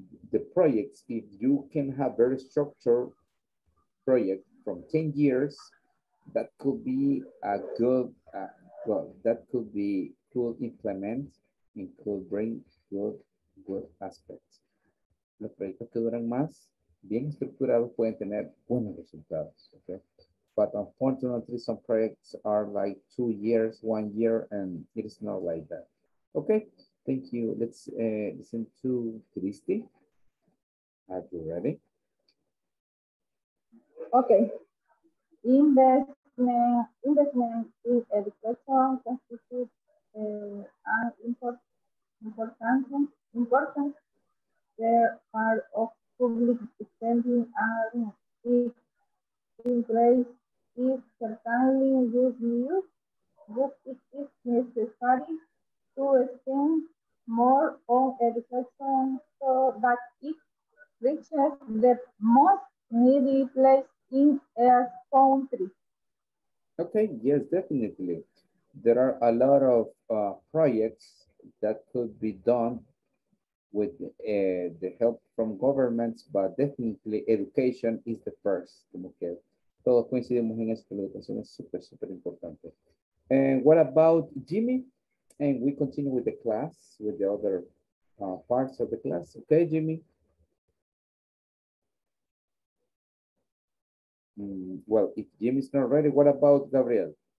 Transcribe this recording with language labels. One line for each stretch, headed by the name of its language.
English: The projects, if you can have very structured project from 10 years, that could be a good, well, that could be, could implement and could bring good aspects.
Spanish: Los proyectos que duran más, bien estructurados, pueden tener buenos resultados, okay?
English: But unfortunately, some projects are like 2 years, 1 year, and it is not like that. Okay, Thank you. Let's listen to Christy. Are you ready? Okay. Investment in education constitutes an important part of public spending, and it is certainly good news, but it is necessary to spend more on education so that it reaches the most needy place in a country. Okay, yes, definitely. There are a lot of projects that could be done with the help from governments, but definitely education is the first.
Spanish: Como que todos coincidimos en esto, la educación es súper, súper importante.
English: And what about Jimmy? And we continue with the class, with the other parts of the class. Okay, Jimmy? Well, if Jimmy's not ready, what about Gabriel?